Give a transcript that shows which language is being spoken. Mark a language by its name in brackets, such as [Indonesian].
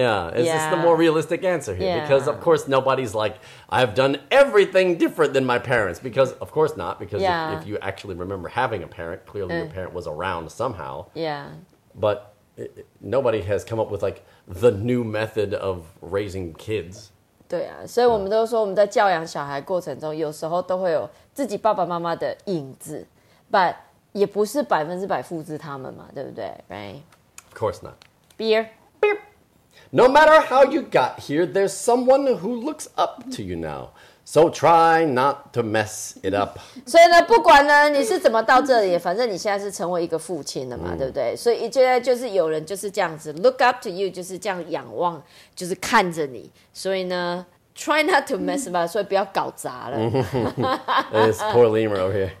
[English] Yeah, is this the more realistic answer here? Yeah. Because, of course, nobody's like, I've done everything different than my parents. Because, of course not, because if you actually remember having a parent, clearly your parent was around somehow. Yeah. But nobody has come up with, like, the new method of raising kids. [Chinese] 对啊，所以我们都说我们在教养小孩过程中，有时候都会有自己爸爸妈妈的影子。 [English] But [Chinese] 也不是百分之百复制他们嘛，对不对 ？ [English] Right? Of course not. Beer. Beer. No matter how you got here, there's someone who looks up to you now. So try not to mess it up. [Chinese] 所以呢，不管呢你是怎么到这里，反正你现在是成为一个父亲了嘛，对不对？所以现在就是有人就是这样子 [English] look up to you， [Chinese] 就是这样仰望，就是看着你。所以呢。 [English] Try not to mess up, so [Chinese] 不要搞砸了 [English] It's poor lemur over here.